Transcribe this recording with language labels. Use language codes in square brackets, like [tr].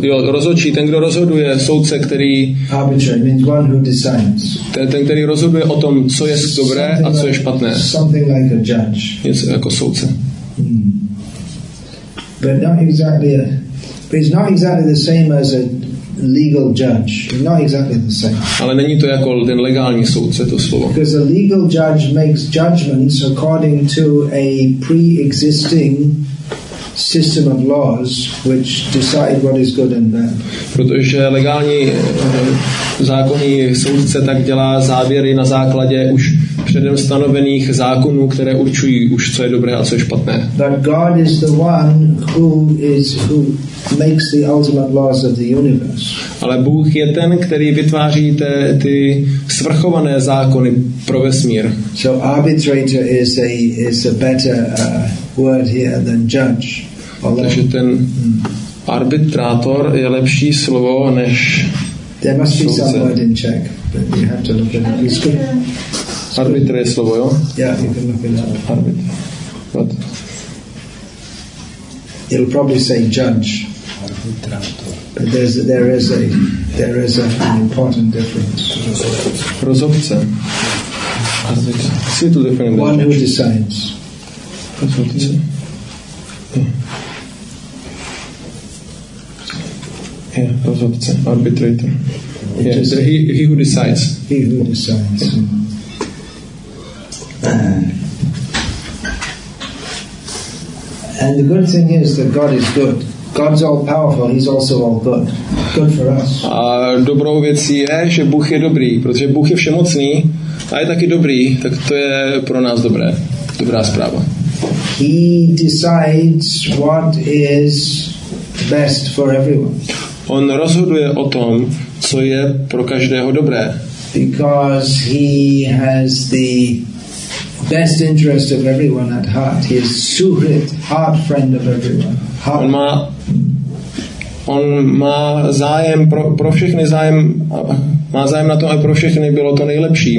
[cs] Rozhodčí, ten, kdo rozhoduje, soudce, který... [en] Arbitrary means one who decides. [cs] Ten, který rozhoduje o tom, co je dobré [en] something [cs] a co je špatné. [en] Something like a judge. [cs] Něco jako soudce. [en] Hmm. But not exactly a... But it's not exactly the same as a legal judge. Not exactly the same. [cs] Ale není to jako ten legální soudce, to slovo. [en] Because a legal judge makes judgments according to a pre-existing system of laws which decide what is good and bad. [cs] Protože legální zákonní soudce tak dělá závěry na základě už předem stanovených zákonů, které určují už co je dobré a co je špatné. [en] But God is the one who is who makes the ultimate laws of the universe. [cs] Ale Bůh je ten, který vytváří ty svrchované zákony pro vesmír. [en] So arbitrator is a better word here than judge. [cs] Takže ten arbitrátor je lepší slovo než [en] there must be some word in Czech, but you have to look at it. [cs] Arbitr je slovo, jo? [en] Yeah, you can look it up. Arbitr. What? It'll probably say judge. But there is a an important difference. [cs] Rozhodce. [en] Arbitr. One difference. Who decides. Rozhodce. Yeah, rozhodce, arbitrator. Yeah, he who decides. He who decides. And the good thing is that God is good. God's all powerful. He's also all good. Good for us. [cs] A dobrou věcí je, že Bůh je dobrý, protože Bůh je všemocný a je taky dobrý, tak to je pro nás dobré. Dobrá zpráva. [en] He decides what is best for everyone. [cs] On rozhoduje o tom, co je pro každého dobré. [en] Because he has the best interest of everyone at heart. He is suhrit, heart friend of everyone. Heart. [cs] On má zájem pro všechny zájem. Má zájem na to, aby pro všechny bylo to nejlepší.